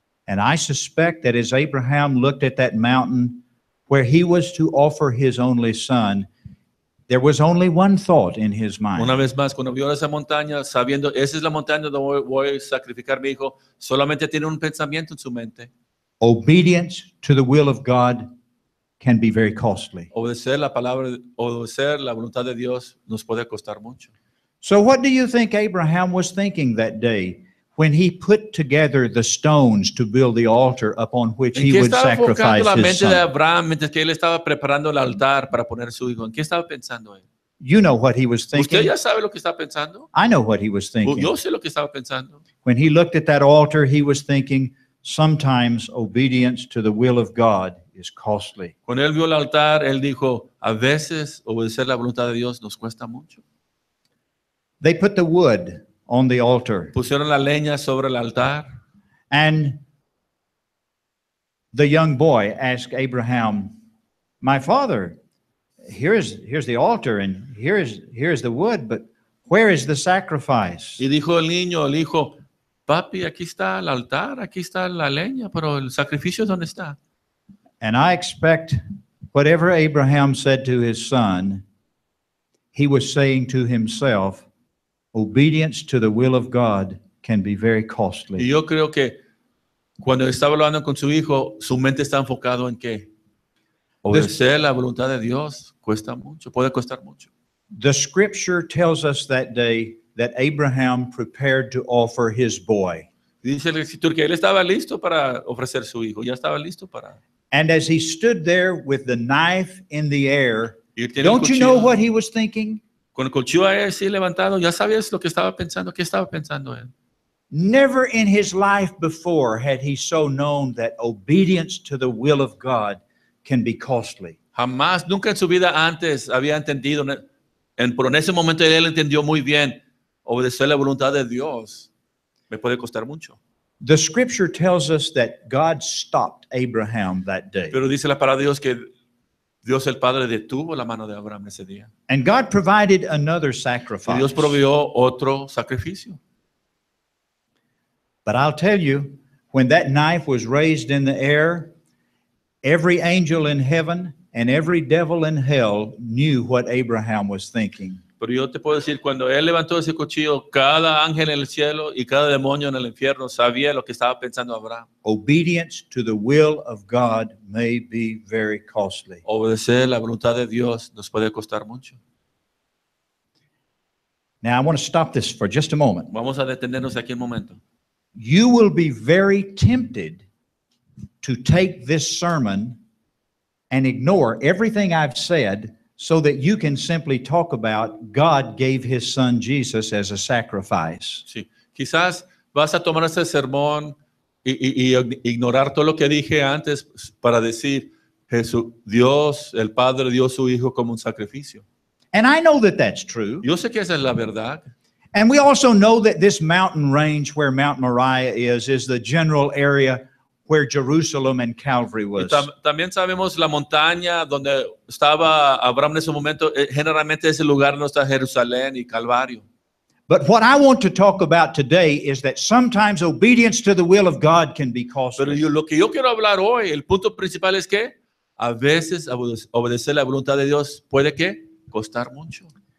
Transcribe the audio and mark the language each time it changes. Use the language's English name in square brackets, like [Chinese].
[English] And I suspect that as Abraham looked at that mountain where he was to offer his only son, there was only one thought in his mind. [Spanish] Una vez más, cuando vio esa montaña, sabiendo, esa es la montaña donde voy a sacrificar mi hijo, solamente tiene un pensamiento en su mente. [English] Obedience to the will of God can be very costly. [Spanish] Obedecer la palabra, obedecer la voluntad de Dios nos puede costar mucho. [English] So what do you think Abraham was thinking that day when he put together the stones to build the altar upon which he would sacrifice his son? [Spanish] ¿En qué estaba enfocando la mente de Abraham mientras que él estaba preparando el altar para poner su hijo? ¿En qué estaba pensando él? [English] You know what he was thinking. [Spanish] ¿Usted ya sabe lo que estaba pensando? [English] I know what he was thinking. [Spanish] Yo sé lo que estaba pensando. [English] When he looked at that altar, he was thinking, sometimes obedience to the will of God is costly. [Spanish] Cuando él vio el altar, él dijo, a veces obedecer la voluntad de Dios nos cuesta mucho. [English] They put the wood on the altar. [Spanish] Pusieron la leña sobre el altar. [English] And the young boy asked Abraham, my father, here's the altar and here's the wood, but where is the sacrifice? [Spanish] Y dijo el hijo, papi, aquí está el altar, aquí está la leña, pero el sacrificio ¿dónde está? [English] And I expect whatever Abraham said to his son, he was saying to himself, obedience to the will of God can be very costly. [Spanish] Y yo creo que cuando estaba hablando con su hijo, su mente está enfocado en qué? Obedecer la voluntad de Dios cuesta mucho, puede costar mucho. [English] The scripture tells us that day that Abraham prepared to offer his boy. [Spanish] Dice la escritura que él estaba listo para ofrecer su hijo, ya estaba listo para. [English] And as he stood there with the knife in the air, don't you know what he was thinking? [Spanish] Con el cuchillo así levantado, ya sabías lo que estaba pensando, ¿qué estaba pensando él? [English] Never in his life before had he so known that obedience to the will of God can be costly. [Spanish] Jamás, nunca en su vida antes había entendido, pero en ese momento él entendió muy bien, obedecer la voluntad de Dios me puede costar mucho. [English] The scripture tells us that God stopped Abraham that day. [Spanish] Pero dice la palabra de Dios que Dios el Padre detuvo la mano de Abraham ese día. [English] And God provided another sacrifice. [Spanish] Y Dios proveyó otro sacrificio. [English] But I'll tell you, when that knife was raised in the air, every angel in heaven and every devil in hell knew what Abraham was thinking. [Spanish] Pero yo te puedo decir, cuando él levantó ese cuchillo, cada ángel en el cielo y cada demonio en el infierno sabía lo que estaba pensando Abraham. [English] Obedience to the will of God may be very costly. [Spanish] Obedecer la voluntad de Dios nos puede costar mucho. [English] Now I want to stop this for just a moment. [Spanish] Vamos a detenernos aquí un momento. [English] You will be very tempted to take this sermon and ignore everything I've said, so that you can simply talk about God gave his son Jesus as a sacrifice. [Spanish] Sí, quizás vas a tomar ese sermón y ignorar todo lo que dije antes para decir Jesús, Dios, el Padre dio su hijo como un sacrificio. [English] And I know that that's true. [Spanish] Yo sé que esa es la verdad. [English] And we also know that this mountain range where Mount Moriah is the general area where Jerusalem and Calvary was. [Spanish] También sabemos la montaña donde estaba Abraham en ese momento, generalmente ese lugar no está Jerusalén y Calvario. [English] But what I want to talk about today is that sometimes obedience to the will of God can be costly. [Spanish] Pero lo que yo quiero hablar hoy, el punto principal es que a veces obedecer la voluntad de Dios puede que costar mucho.